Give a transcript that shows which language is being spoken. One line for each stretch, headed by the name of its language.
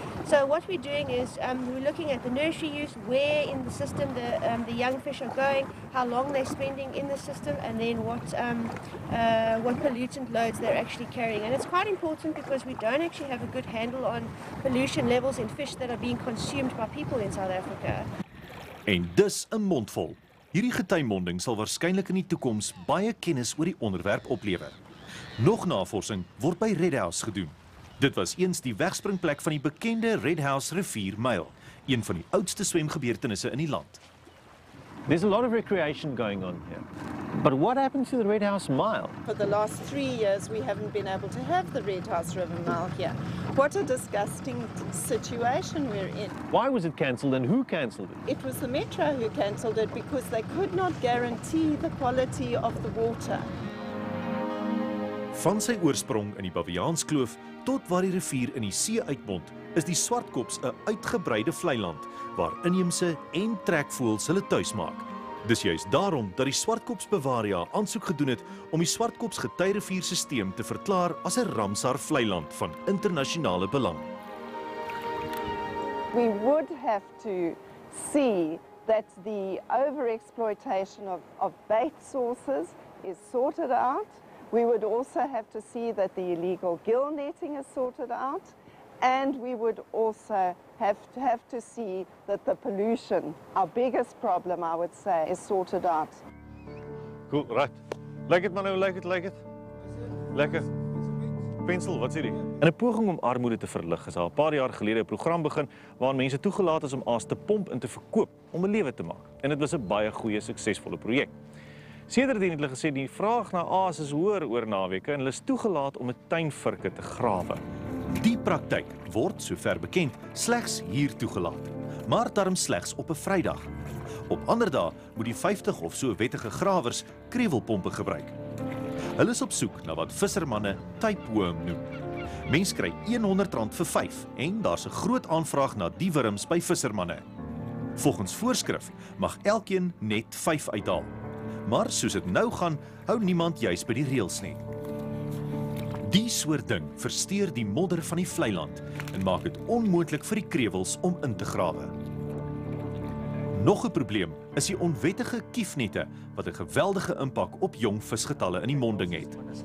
English: So what we're doing is we're looking at the nursery use, where in the system the young fish are going, how long they're spending in the system, and then what pollutant loads they're actually carrying. And it's quite important because we don't actually have a good handle on pollution levels in fish that are being consumed by people in South Africa.
Afrikaans: En dis 'n mondvol. Hierdie getuimonding sal waarskynlik in die toekoms baie kennis oor die onderwerp oplewer. Nog navorsing word by Red House gedoen. Dit was eens die wegspringplek van die bekende Red House riviermyl, een van die oudste swemgebeurtenisse in die land.
English: There's a lot of recreation going on here. But what happened to the Red House Mile? For the last 3 years, we haven't been able to have the Red House River Mile here. What a disgusting situation we're in. Why was it cancelled and who cancelled it? It was the Metro who cancelled it because they could not guarantee the quality of the water.
Afrikaans: Van sy oorsprong in die Baviaanskloof tot waar die rivier in die see uitmond, is die Swartkops 'n uitgebreide vleiland waar inheemse en trekvoëls hulle tuis maak. Dis juist daarom dat die Swartkops Bewaria aansoek gedoen het om die Swartkops getuirivierstelsel te verklaar as 'n Ramsar vleiland van internasionale belang.
English: We would have to see that the overexploitation of bait sources is sorted out. We would also have to see that the illegal gill netting is sorted out. And we would also have to see that the pollution, our biggest problem, I would say, is sorted out. Cool, right. Like it, Manu, like it, like it. Lekker.
Afrikaans: Pencil, wat sê jy? In 'n poging om armoede te verlig, is al 'n paar jaar gelede 'n program begin waar mense toegelaat is om aas te pomp en te verkoop om 'n lewe te maak. En dit was 'n baie goeie suksesvolle projek. Sedertdien het hulle gesê die vraag na aas is hoër oor naweke en hulle is toegelaat om 'n tuinvurke te grawe. Die praktyk word sover bekend slegs hier toegelaat, maar daarom slegs op 'n Vrydag. Op ander dae moet die 50 of so wettige grawers kruiwelpompe gebruik. Hulle is op soek na wat vissermanne tapeworm noem. Mens kry R100 vir 5 en daar's 'n groot aanvraag na die wurms by vissermanne. Volgens voorskrif mag elkeen net 5 uithaal. Maar soos dit nou gaan, hou niemand juis by die reëls nie. Die soort ding versteur die modder van die vlei land en maak dit onmoontlik vir die krewels om in te grawe. Nog 'n probleem is die onwettige kiefnette wat 'n geweldige impak op jong visgetalle in die monding het.